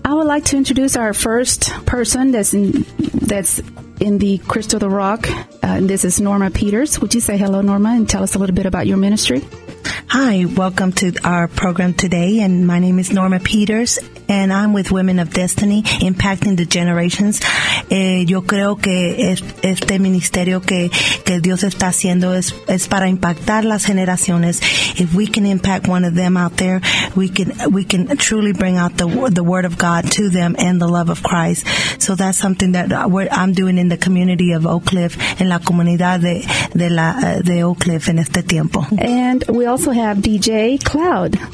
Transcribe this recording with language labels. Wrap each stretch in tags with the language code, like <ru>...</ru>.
<en>I would like to introduce our first person that's in the Cristo the Rock. This is Norma Peters. Would you say hello, Norma, and tell us a little bit about your ministry? Hi, welcome to our program today, and my name is Norma Peters, and I'm with Women of Destiny, Impacting the Generations.</en> <es>Yo creo que este ministerio que Dios está haciendo es para impactar las generaciones.</es> <en>If we can impact one of them out there, we can truly bring out the Word of God to them and the love of Christ. So that's something that I'm doing in the community of Oak Cliff,</en> <es>en la comunidad de Oak Cliff en este tiempo.</es> <en>And we also have DJ Cloud.</en>